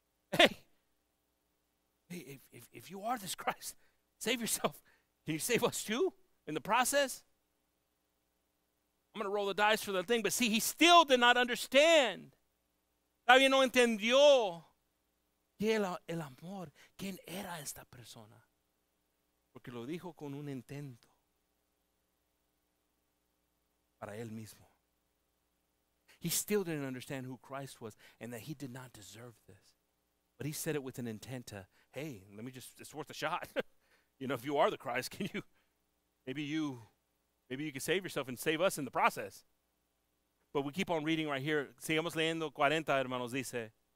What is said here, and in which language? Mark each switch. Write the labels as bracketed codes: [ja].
[en] Hey, if you are this Christ, save yourself. Can you save us too in the process? I'm going to roll the dice for the thing. But see, he still did not understand. [es] Todavía no entendió que el amor, quién era esta persona. Porque lo dijo con un intento para él mismo. [en] He still didn't understand who Christ was and that he did not deserve this. But he said it with an intent to, hey, let me just, it's worth a shot. You know, if you are the Christ, can you, maybe you can save yourself and save us in the process. But we keep on reading right here. [es] Sigamos leyendo 40, hermanos, dice.